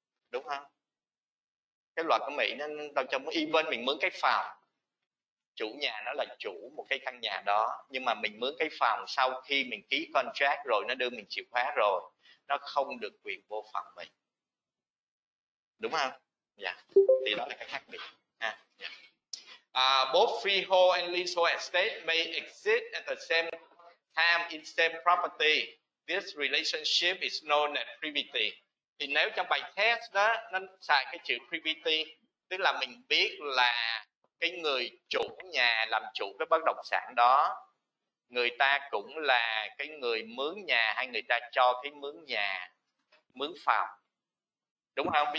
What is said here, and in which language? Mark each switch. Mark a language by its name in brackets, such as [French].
[Vietnamese] Đúng không? Cái luật của Mỹ nó đâu cho mình, even mình mướn cái phòng chủ nhà nó là chủ một cái căn nhà đó, nhưng mà mình mướn cái phòng sau khi mình ký contract rồi, nó đưa mình chìa khóa rồi, nó không được quyền vô phòng mình, đúng không? Dạ, thì đó là cái khác biệt. [English] Both freehold and leasehold estate may exist at the same time in same property. This relationship is known as privity. [Vietnamese] Thì nếu trong bài test đó nó xài cái chữ privity, tức là mình biết là cái người chủ nhà làm chủ cái bất động sản đó, người ta cũng là cái người mướn nhà hay người ta cho cái mướn nhà, mướn phòng, đúng không?